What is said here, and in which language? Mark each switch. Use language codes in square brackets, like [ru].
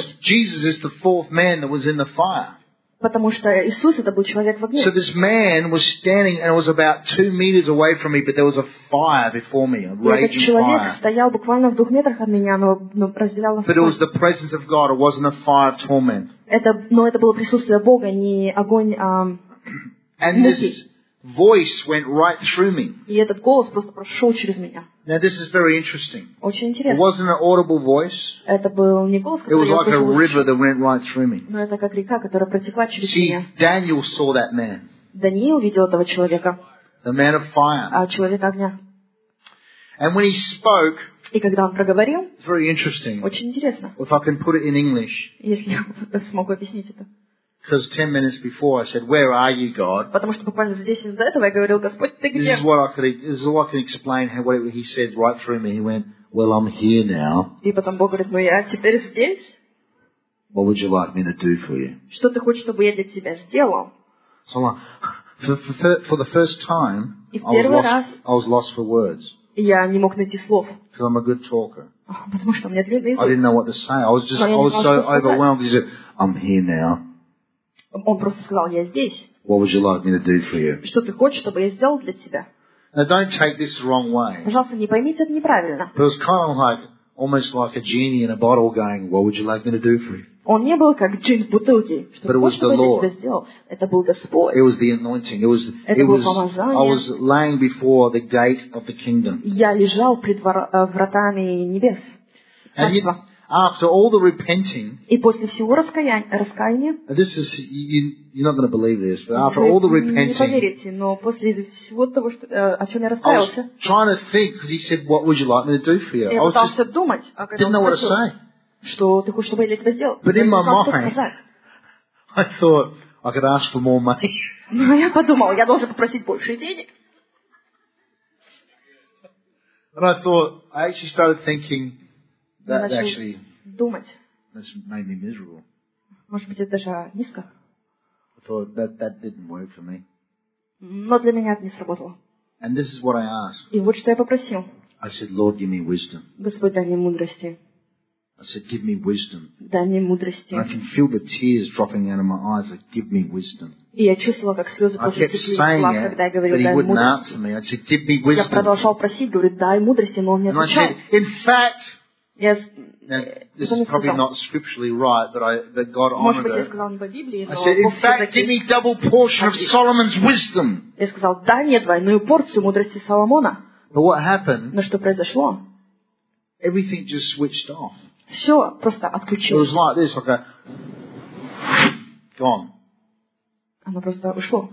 [en] Because Jesus is the fourth man that was in the fire. [ru] Потому что Иисус это был человек в огне. [en] So this man was standing and it was about 2 meters away from me, but there was a fire before me, a raging fire. [ru] Этот человек стоял буквально в 2 метрах от меня, но разделял нас. [en] But it was the presence of God. It wasn't a fire of torment. [ru] Это было присутствие Бога, не огонь муки. [en] And this voice went right through me. [ru] И этот голос просто прошел через меня. [en] Now this is very interesting. [ru] Очень интересно. [en] It wasn't an audible voice. [ru] Это был не голос, который [en] It was like a river that went right through me. [ru] Но это как река, которая протекла через [en] See, [ru] меня. [en] See, Daniel saw that man. [ru] Даниил видел этого человека. [en] The man of fire. [ru] А человек огня. [en] And when he spoke, [ru] и когда он проговорил, [en] it's very interesting. [ru] Очень интересно. [en] If I can put it in English. [ru] Если я смогу объяснить это. [en] Because 10 minutes before I said, "Where are you, God?" [ru] Потому что буквально за 10 минут до этого я говорил, Господь, ты где? [en] This is what I can explain how what he said right through me. He went, "Well, I'm here now." [ru] И потом Бог говорит, ну я теперь здесь. [en] What would you like me to do for you? [ru] Что ты хочешь, чтобы я для тебя сделал? [en] So I'm like, for the first time, I was lost for words. [ru] Я не мог найти слов. [en] Because I'm a good talker. [ru] Потому что у меня длинный язык. [en] I didn't know what to say. I was so overwhelmed. He said, "I'm here now." [ru] Он просто сказал, я здесь. [en] What would you like me to do for you? [ru] Что ты хочешь, чтобы я сделал для тебя? [en] Now, don't take this the wrong way. [ru] Пожалуйста, не поймите это неправильно. [en] It was kind of like, almost like a genie in a bottle going, what would you like me to do for you? [ru] Он не был как джин в бутылке. Что [en] But [ru] ты хочешь, чтобы я тебе сделал? Это был Господь. [en] It was the anointing. It was [ru] помазание. [en] I was laying before the gate of the kingdom. [ru] Я лежал пред вратами небес. [en] After all the repenting, [ru] и после всего раскаяния, [en] this is you're not going to believe this, but after all the repenting, [ru] не поверите, но после всего того, что, о чем я раскаялся, [en] I was trying to think because he said, "What would you like me to do for you?" [ru] Я пытался думать, а [en] didn't know what to say. [ru] Что ты хочешь, чтобы я для тебя сделал? [en] But in my mind, I thought I could ask for more money. [ru] Но я подумал, я должен попросить больше денег. [en] And I thought, I actually started thinking. That actually made me miserable. [ru] Может быть, это даже низко. [en] I thought that didn't work for me. [ru] Но для меня это не сработало. [en] And this is what I asked. [ru] И вот что я попросил. [en] I said, Lord, give me wisdom. [ru] Господь, дай мне мудрости. [en] I said, give me wisdom. [ru] Дай мне мудрости. [en] And I can feel the tears dropping out of my eyes. Like, give me wisdom. [ru] И я чувствовал, как слезы после тебя плакали, когда я говорил, дай мне мудрости. [en] I said, give me wisdom. [ru] Я продолжал просить, говорю, дай мудрости, но он мне отвечал. [en] In fact. Yes. Now, this is probably not scripturally right, but that God honored her. [ru] Библии, [en] I said, in fact, [ru] таки... [en] give me double portion of Solomon's wisdom. [ru] Я сказал, дай мне двойную порцию мудрости Соломона. [en] But what happened? [ru] Но что произошло? [en] Everything just switched off. [ru] Все просто отключилось. [en] It was like this, like a gone. [ru] Оно просто ушло.